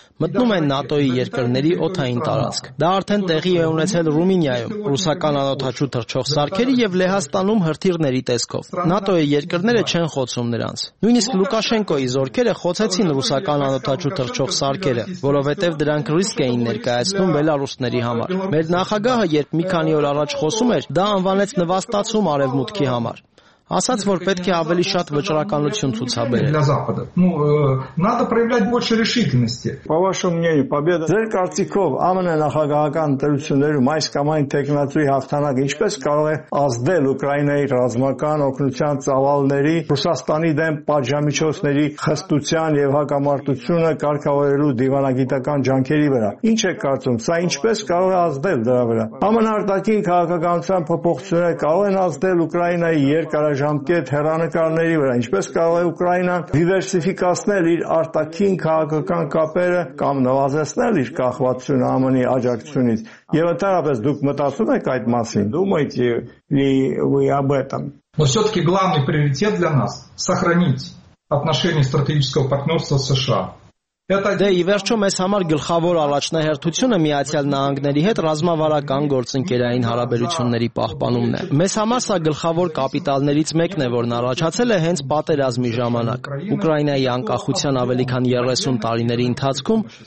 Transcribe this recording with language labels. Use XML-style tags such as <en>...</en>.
<hy>մտնում են ՆԱՏՕ-ի երկրների օթային տարածք։ Դա արդեն տեղի է ունեցել Ռումինիայում, ռուսական անօթաչու թռչող սարքերի և Լեհաստանում հրթիռների տեսքով։ ՆԱՏՕ-ի երկրները չեն խոցում նրանց։ Նույնիսկ Լուկաշենկոյի զորքերը խոցեցին ռուսական անօթաչու թռչող սարքերը, որովհետև դրանք ռիսկ էին ներկայացնում Բելարուսների համար։ Մեր նախագահը, երբ մի քանի օր առաջ խոսում էր, դա անվանեց նվաստացում Արևմուտքի համար, ասաց, որ պետք է ավելի շատ վճռականություն ցուցաբերել։</hy> <ru>Ну, надо проявлять больше решительности. По вашему мнению, победа</ru> <hy>Ձեր կարծիքով ԱՄՆ նախագահական ընտրություններում այս կամ այն տեխնատրի հաղթանակը ինչպես կարող է ազդել Ուկրաինայի ռազմական օգնության ծավալների, Ռուսաստանի դեմ պատժամիջոցների խստության եւ հակամարտությունը կարգավորելու դիվանագիտական ջանքերի վրա։ Ինչ եք կարծում, սա ինչպես կարող է ազդել դրա վրա։ ԱՄՆ արտաքին քաղաքականության փոփոխությունը կարող են ազդել Ուկրաինայի երկար ժամկետ հեռանկարների վրա, ինչպես կարող է Ուկրաինան դիվերսիֆիկացնել իր արտաքին քաղաքական կապերը կամ նվազեցնել իր կախվածությունը ԱՄՆ-ի աջակցությունից։ Եվ ընդհանրապես դուք մտածում եք այդ մասին,</hy> <ru>думаете ли вы об этом? Но всё-таки главный приоритет для нас сохранить отношения стратегического партнёрства с США.</ru> <hy>Դե, ի վերջո, մեզ համար գլխավոր առաջնահերթությունը Միացյալ Նահանգների հետ ռազմավարական գործընկերային հարաբերությունների պահպանումն է։ Մեզ համար սա գլխավոր կապիտալներից մեկն է, որն առաջացել է հենց պատերազմի ժամանակ։ Ուկրաինայի անկախության ավելի քան 30 տարիների ընթացքում</hy>